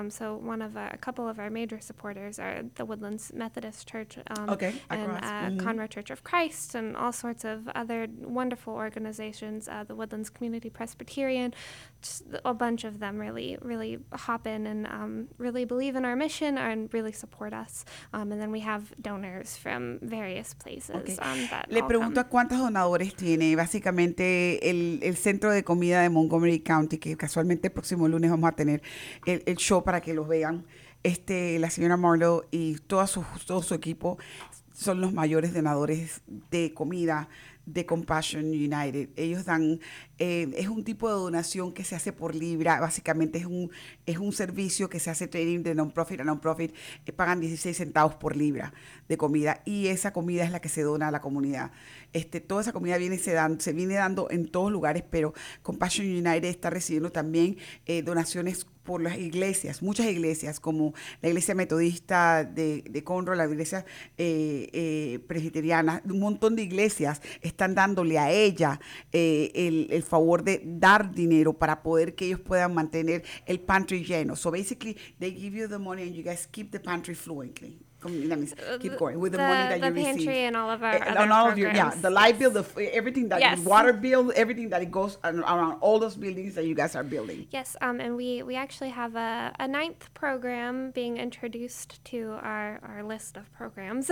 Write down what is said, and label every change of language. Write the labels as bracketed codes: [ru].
[en] So a couple of our major supporters are the Woodlands Methodist Church Conroe Church of Christ, and all sorts of other wonderful organizations, the Woodlands Community Presbyterian, just a bunch of them really, really hop in and really believe in our mission and really support us. And then we have donors from various places. [es] Le pregunto cuántos donadores tiene. Básicamente el centro de comida de Montgomery County, que casualmente el próximo lunes vamos a tener el show para que los vean. La señora Marlo y todo su equipo son los mayores donadores de comida de Compassion United. Ellos dan, es un tipo de donación que se hace por libra, básicamente es un servicio que se hace trading de non-profit a non-profit, pagan 16 centavos por libra de comida, y esa comida es la que se dona a la comunidad. Toda esa comida se viene dando en todos lugares, pero Compassion United está recibiendo también donaciones por las iglesias, muchas iglesias, como la iglesia metodista de Conroe, la iglesia presbiteriana, un montón de iglesias están dándole a ella el favor de dar dinero para poder que ellos puedan mantener el pantry lleno. [en] So basically, they give you the money and you guys keep the pantry fluently. Let me keep going with the money that you receive. The pantry and all of our other programs. The water bill, everything that it goes around all those buildings that you guys are building. Yes, and we actually have a ninth program being introduced to our list of programs.